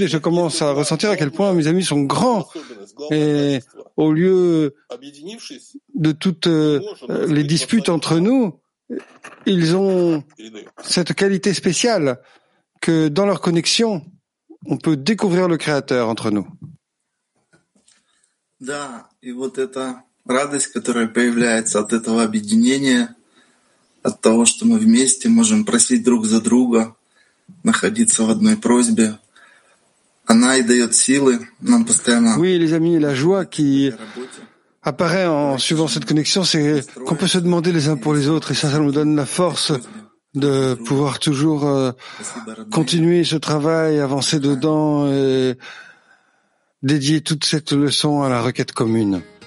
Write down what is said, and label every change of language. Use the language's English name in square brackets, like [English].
[French] Et je commence à ressentir à quel point mes amis sont grands. Et au lieu de toutes les disputes entre nous, ils ont cette qualité spéciale que dans leur connexion, on peut découvrir le Créateur entre nous. [Russian] Да, и вот эта радость, которая появляется от этого объединения, от того, что мы вместе можем просить друг за друга, находиться в одной просьбе, она и дает силы нам постоянно. [French] Oui, les amis, la joie qui apparaît en suivant cette connexion, c'est qu'on peut se demander les uns pour les autres, et ça nous donne la force de pouvoir toujours continuer ce travail, avancer dedans et dédier toute cette leçon à la requête commune.